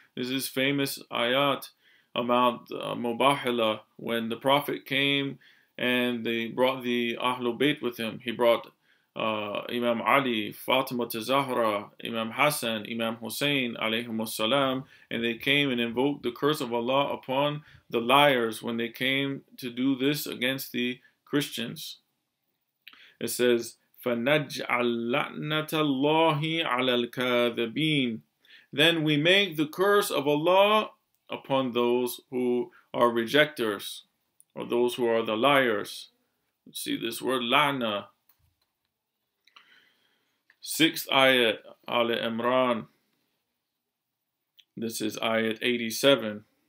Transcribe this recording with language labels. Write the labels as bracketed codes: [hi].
[en] This is famous ayat about Mubahila, when the Prophet came and they brought the Ahlul Bayt with him. He brought Imam Ali, Fatima Tazahra, Imam Hassan, Imam Hussein, alayhim wassalam, and they came and invoked the curse of Allah upon the liars when they came to do this against the Christians. It says, [ar] فَنَجْعَلْ لَعْنَةَ اللَّهِ عَلَى الْكَاذِبِينَ. [en] Then we make the curse of Allah upon those who are rejectors, or those who are the liars. See this word, la'na. Sixth ayat, Ali Imran. This is ayat 87.